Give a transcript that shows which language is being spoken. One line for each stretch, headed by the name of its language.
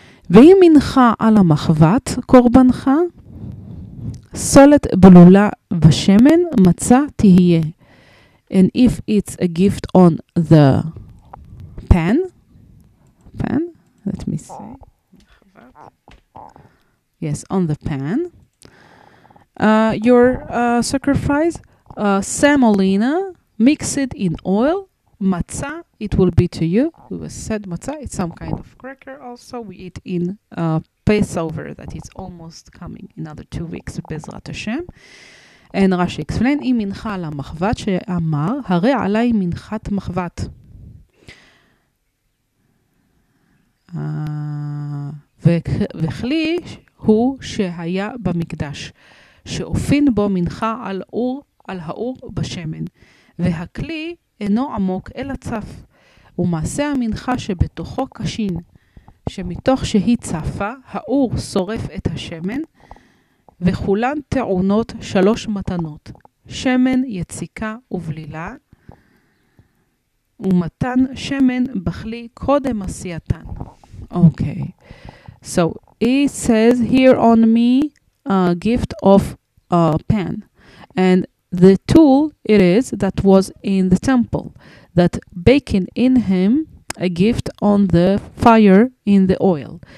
Hebrew: ואם מנחה על המחוות קורבנך, סולת בלולה בשמן, מצה תהיה.
English: And if it's a gift on the pan, let me see. Yes, on the pan. Your sacrifice, semolina, mix it in oil, matzah, it will be to you. We said matzah, it's some kind of cracker also. We eat in Passover, that it's almost coming in another 2 weeks, Bezrat Hashem. And Rashi explained,
Hebrew: אם מנחה על המחוות שאמר, הרי עליי מנחת מחוות. וכלי הוא שהיה במקדש, שאופין בו מנחה על אור, על האור בשמן. והכלי אינו עמוק אלא צף, ומעשה המנחה שבתוכו קשין, שמתוך שהיא צפה, האור שורף את השמן, וכולן טעונות שלוש מתנות, שמן, יציקה ובלילה, ומתן שמן בכלי קודם עשייתן.
English: Okay, so it says here on me a gift of a pan, and the tool it is that was in the temple, that baking in him a gift on the fire in the oil.